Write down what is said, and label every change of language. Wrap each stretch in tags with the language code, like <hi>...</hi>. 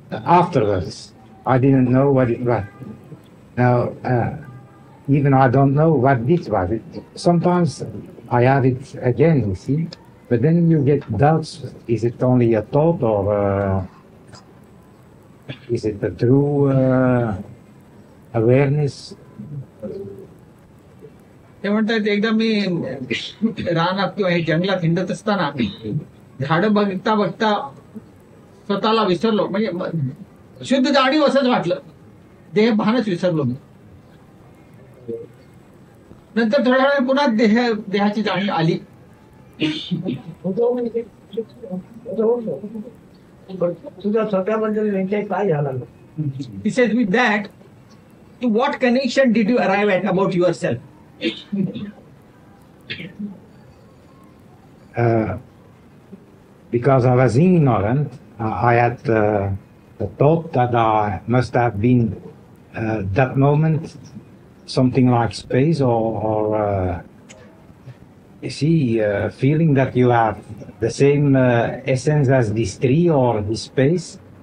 <en>Afterwards, I didn't know what it was. Now, even I don't know what this was. Sometimes I have it again, you see. But then you get doubts. Is it only a thought or is it the true awareness?</en> <mr>ते म्हणतात एकदा मी रानात किंवा हे जंगलात हिंडत असताना झाड बघता बघता स्वतःला विसरलो, म्हणजे शुद्ध दाढी असंच वाटलं, देह भानच विसरलो मी. नंतर थोड्या वेळ पुन्हा देहाची जाणीव आली. तुझ्या स्वतःबद्दल काय झालं?</mr> <en>He says with that, to what connection did you arrive at about yourself? Because I was ignorant, I had the thought that I must have been that moment something like space or feeling that you have the same essence as this tree or this space.</en>